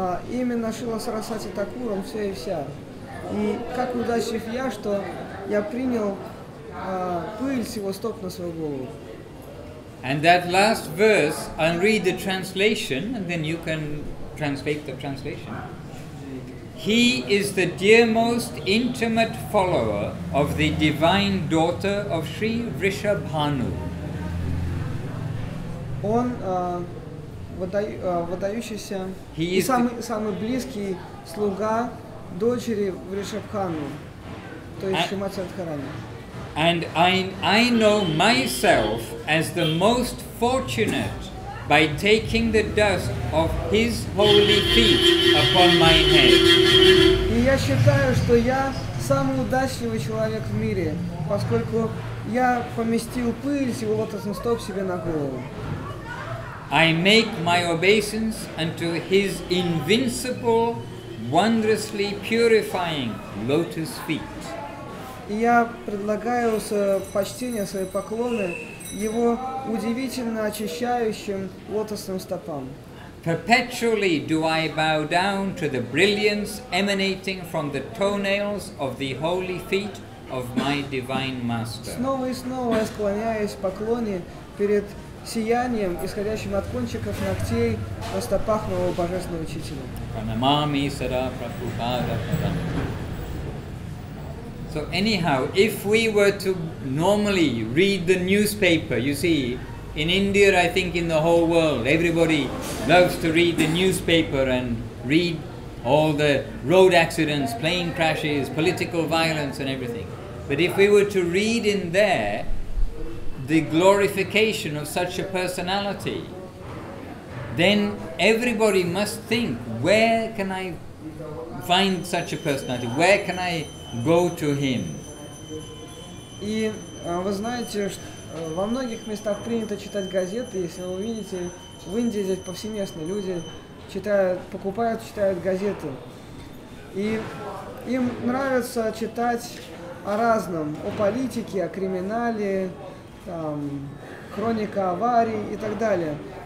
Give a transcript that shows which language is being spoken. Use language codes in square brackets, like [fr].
[ru] Именно Шрила Сарасвати Такура, он все и вся. И как удачлив я, что я принял пыль с его стоп на свою голову. [en] And that last verse, I'll read the translation, and then you can translate the translation. He is the dearmost intimate follower of the divine daughter of Sri Vrishabhanu. [ru] Он выдающийся и самый близкий слуга дочери Вришабхану, то есть Шримати Радхарани. [en] And I know myself as the most fortunate by taking the dust of his holy feet upon my head. [ru] И я считаю, что я самый удачливый человек в мире, поскольку я поместил пыль с его лотосных стоп себе на голову. [en] I make my obeisance unto his invincible, wondrously purifying lotus feet. [ru] Я предлагаю свое почтение, свои поклоны его удивительно очищающим лотосным стопам. [en] Perpetually do I bow down to the brilliance emanating from the toenails of the holy feet of my divine master. [ru] Снова и снова я склоняюсь в поклоне перед сиянием, исходящим от кончиков ногтей на стопах моего божественного учителя. [sa] Pranamami sada prabhupada padam. [en] So anyhow, if we were to normally read the newspaper, you see, in India, I think in the whole world, everybody loves to read the newspaper and read all the road accidents, plane crashes, political violence and everything. But if we were to read in there the glorification of such a personality, then everybody must think, where can I find such a personality? Where can I go to him? [ru] И вы знаете, во многих местах принято читать газеты. Если вы видите, в Индии здесь повсеместно люди читают, покупают, читают газеты. И им нравится читать о разном, о политике, о криминале, там, хроника аварий и так далее.